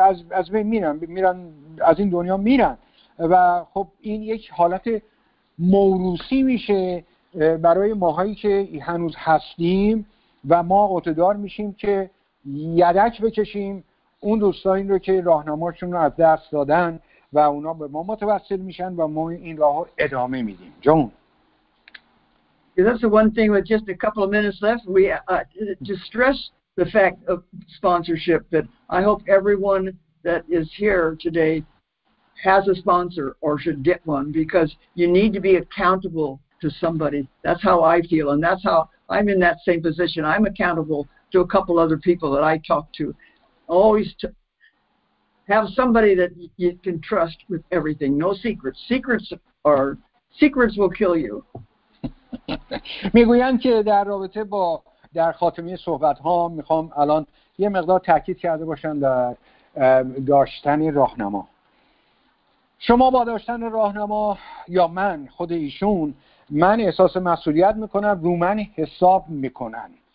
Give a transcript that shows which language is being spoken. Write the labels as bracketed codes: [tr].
[fa] از بین میرن، از این دنیا میرن، و خب این یک حالت موروثی میشه برای ماهایی که هنوز هستیم، و ما اعتدار میشیم که یدک بکشیم اون دوستایی رو که راهنماشون رو از دست دادن، و اونا به ما متوسل میشن و ما این راه رو ادامه میدیم. جون. [en] That's the one thing with just a couple of minutes left. We to stress the fact of sponsorship, that I hope everyone that is here today has a sponsor or should get one, because you need to be accountable to somebody. That's how I feel, and that's how I'm in that same position. I'm accountable to a couple other people that I talk to. Always to have somebody that you can trust with everything. No secrets. Secrets will kill you. [fa] میگویم که در رابطه با در خاتمه صحبت ها میخوام الان یه مقدار تاکید کرده باشم در داشتن راهنما. شما با داشتن راهنما یا من خود ایشون، من احساس مسئولیت میکنم، رو من حساب میکنن.